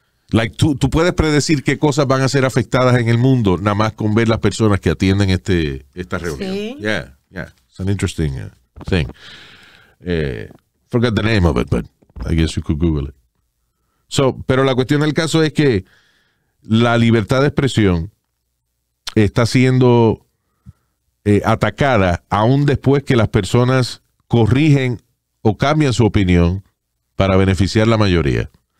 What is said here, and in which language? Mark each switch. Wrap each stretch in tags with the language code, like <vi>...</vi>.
<es>Like, tú puedes predecir qué cosas van a ser afectadas en el mundo nada más con ver las personas que atienden esta reunión. Sí.</es> <en>Yeah, yeah. It's an interesting thing. Forgot the name of it, but I guess you could Google it.</en> <es>So, pero la cuestión del caso es que la libertad de expresión está siendo atacada aún después que las personas corrigen o cambian su opinión para beneficiar la mayoría.</es>